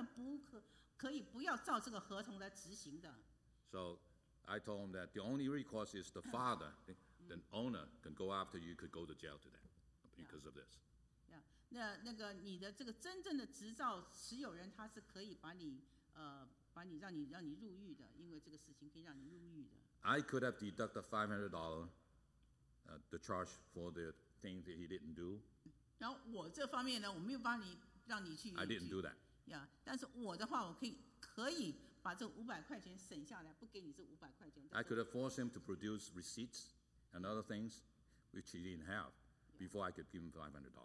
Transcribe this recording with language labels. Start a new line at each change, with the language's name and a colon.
Chinese: 既然这个你的执照都是不合法的，我当然不可以不要照这个合同来执行的。
English: So I told him that the only recourse is the father, the owner can go after you, could go to jail today because of this.
Chinese: 那个你的这个真正的执照持有人，他是可以把你让你入狱的，因为这个事情可以让你入狱的。
English: I could have deducted $500, the charge for the things that he didn't do.
Chinese: 然后我这方面呢，我没有帮你让你去。
English: I didn't do that.
Chinese: Yeah, 但是我的话，我可以把这五百块钱省下来，不给你这五百块钱。
English: I could have forced him to produce receipts and other things which he didn't have before I could give him $500.